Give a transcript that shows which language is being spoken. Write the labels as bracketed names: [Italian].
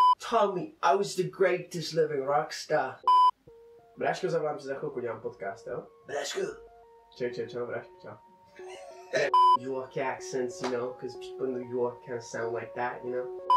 [English] Tell me, I was the greatest living rockstar. [Czech] Bráško, zavolám si za chvilku, dělám podcast, jo? Bráško. Čau, Bráško, čau. [English] York accents, you know, because people in New York can't sound like that, you know?